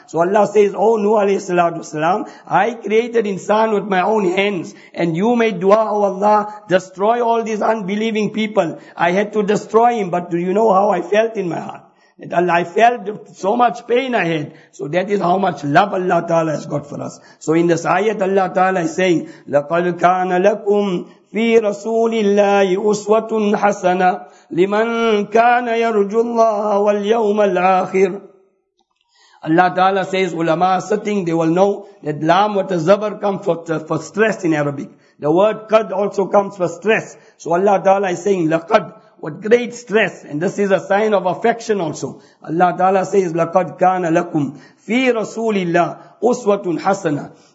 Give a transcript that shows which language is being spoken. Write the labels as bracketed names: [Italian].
[English] So Allah says, oh Nuh alayhi salatu wasalam, I created insan with my own hands, and you made dua, oh Allah, destroy all these unbelieving people. I had to destroy him, but do you know how I felt in my heart? That Allah, I felt so much pain I had. So that is how much love Allah ta'ala has got for us. So in this ayat, Allah ta'ala is saying, [Arabic] لَقَدْ كَانَ لَكُمْ فِي رَسُولِ اللَّهِ أُسْوَةٌ حَسَنًا لِمَنْ كَانَ يَرْجُ اللَّهَ وَالْيَوْمَ الْآخِرِ. [English] Allah ta'ala says, ulama sitting, they will know that lam with a zabar comes for stress in Arabic. The word qad also comes for stress. So Allah ta'ala is saying, laqad, with great stress. And this is a sign of affection also. Allah ta'ala says, laqad kana lakum fi rasulillah uswatun hasana.